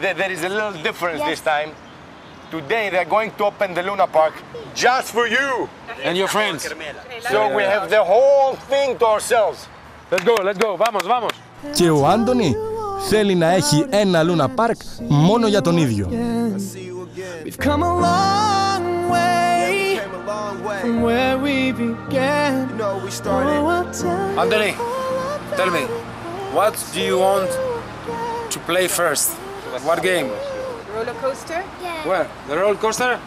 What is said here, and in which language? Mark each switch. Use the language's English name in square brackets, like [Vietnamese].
[English] There is a little difference this time. Today they are going to open the Luna Park just for you and your friends. So we have the whole thing to ourselves. Let's go, vamos. [Greek] Και ο Άντωνη θέλει να έχει ένα Λούνα Πάρκ μόνο για τον ίδιο. [English] We've come a long way from where we began. Άντωνη, tell me, what do you want to play first? What game? Roller coaster? Yeah. Where? The roller coaster?